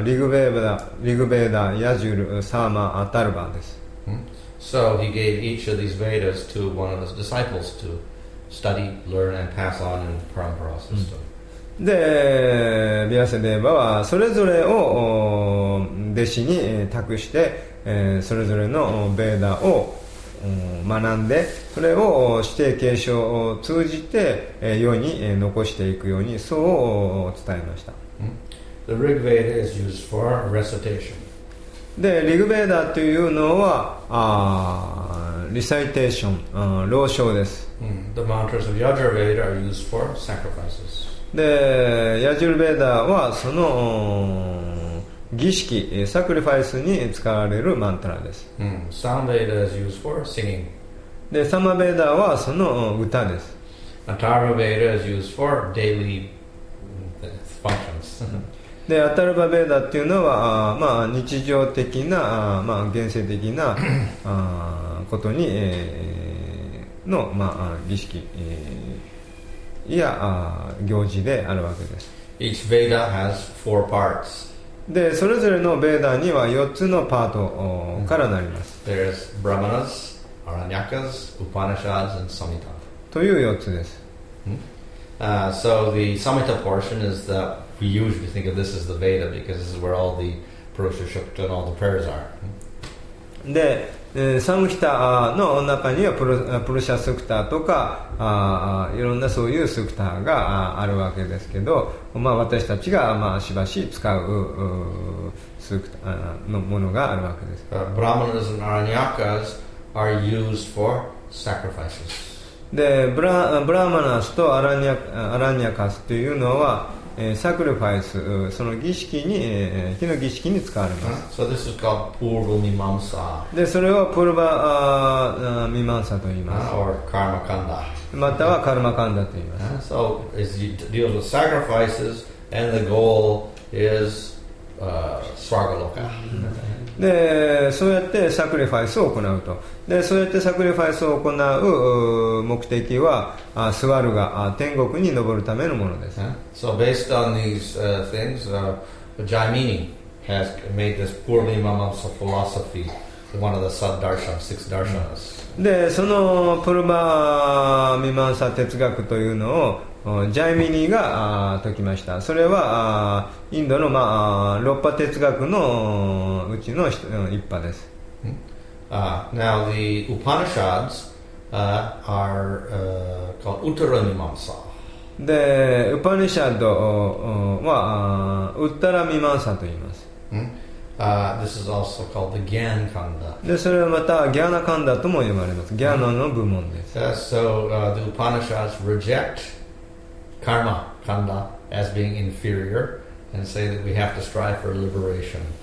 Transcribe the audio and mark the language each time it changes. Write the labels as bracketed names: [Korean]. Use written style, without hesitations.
[Japanese] リグベーダ、ヤジュル、サーマ、アタルバです。 [English] So he gave each of these Vedas to one of his disciples to study, learn and pass on in the parampara system. [Japanese] でビアサデーバはそれぞれを弟子に託してそれぞれのベーダを学んで、それを指定継承を通じて世に残していくように、そう伝えました。 [English] The Rig Veda is used for recitation. [Japanese] で、リグベーダというのはリサイテーション、朗唱です。 [English] The mantras of Yajur Veda are used for sacrifices. [Japanese] で、ヤジュルベーダはその儀式、サクリファイスに使われるマントラです。 [English] サマベーダ is used for singing. [Japanese] で、サマベーダはその歌です。 [English] アタルバベーダ is used for daily functions. [Japanese] で、アタルバベーダっていうのは、まあ、日常的な、まあ、現世的なことに、の、まあ、儀式、や行事であるわけです。 [English] Each Veda has four parts. [Japanese] でそれぞれのベーダーには4つのパートからなります。 [English] There's Brahmanas, Aranyakas, Upanishads and Samhita [Japanese] という4つです、 [English] So the Samhita portion is that we usually think of this as the Veda because this is where all the Purusha Shukta and all the prayers are. [Japanese] で、サムヒタの中にはプルシャスクタとかいろんなそういうスクタがあるわけですけど、まあ、私たちが、まあ、しばし使うスクタのものがあるわけです。 [English] ブラマナズ and アラニャカズ are used for sacrifices. [Japanese] でブラマナズとアラニャカズというのはサクリファイス、その儀式に、火の儀式に使われます。 [English] So this is called Purva Mimamsa. [Japanese] で、それをプルバミマンサと言います。 [English] Or Karma Kanda. [Japanese] またはカルマカンダと言います。 [English] So as it deals with sacrifices and the goal is Svargaloka. [Japanese] で、そうやってサクリファイスを行うと。で、そうやってサクリファイスを行う目的は、スワルガ、天国に登るためのものです。 [English] So based on these things, Jaimini has made this Purva Mimamsa philosophy, one of the sub darshan, six darshanas. [Japanese] で、そのプルバミマンサ哲学というのを、ジャイミニが説きました。それはインドの、まあ、六派哲学のうちの一派です。 [English] Now the Upanishads are called Uttara Mimamsa. [Japanese] で、ウパニシャドはウッタラミマンサと言います。 [English] This is also called the Gyan Kanda. [Japanese] で、それはまたギャナカンダとも呼ばれます。ギャナの部門です。 [English] So the Upanishads rejectKarma, Kanda, as being inferior, and say that we have to strive for liberation.